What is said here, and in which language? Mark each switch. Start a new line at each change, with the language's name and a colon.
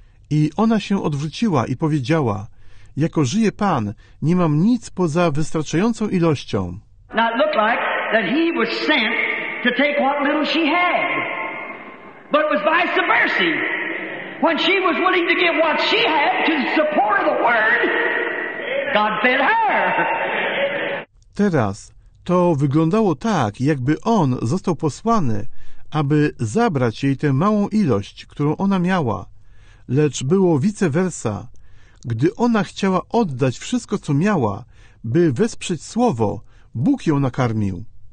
Polish: I ona się odwróciła i powiedziała, jako żyje Pan, nie mam nic poza wystarczającą ilością.
English: Now it looked like that he was sent to take what little she had. But it was vice versa. When she was willing to give what she had to support the word, God fed her.
Polish: Teraz to wyglądało tak, jakby on został posłany, aby zabrać jej tę małą ilość, którą ona miała. Lecz było vice versa. Gdy ona chciała oddać wszystko, co miała, by wesprzeć słowo, Bóg ją nakarmił.